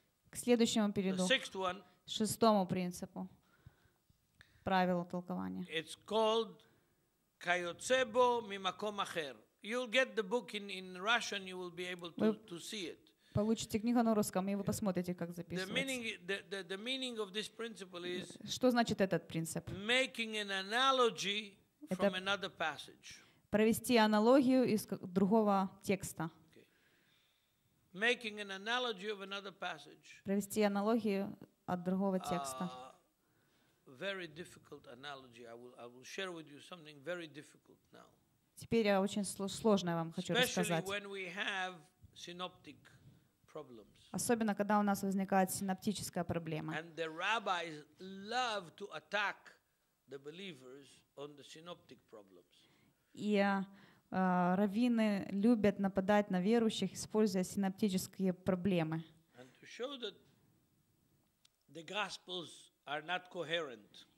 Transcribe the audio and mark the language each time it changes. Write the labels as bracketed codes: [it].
[ru] К следующему перейду, к шестому принципу. Правило толкования. [en] It's called Kayotsebo Mimakomacher. You'll get the book in Russian, you will be able to see it. [ru] Получите книгу на русском, и вы посмотрите, как записывается. [en] The meaning of this principle is. [ru] Что значит этот принцип? [en] Making an analogy from another passage. [ru] Провести аналогию из другого текста. [en] Making an analogy of another passage. [ru] Провести аналогию от другого текста. [en] Very difficult analogy. I will share with you something very difficult now. [ru] Теперь я очень сложное вам хочу рассказать. [en] When we have synoptic problems. [ru] Особенно когда у нас возникает синоптическая проблема. [en] And the rabbis love to attack the believers on the synoptic problems. [ru] И раввины любят нападать на верующих, используя синоптические проблемы. [en] And to show that the gospels are not coherent.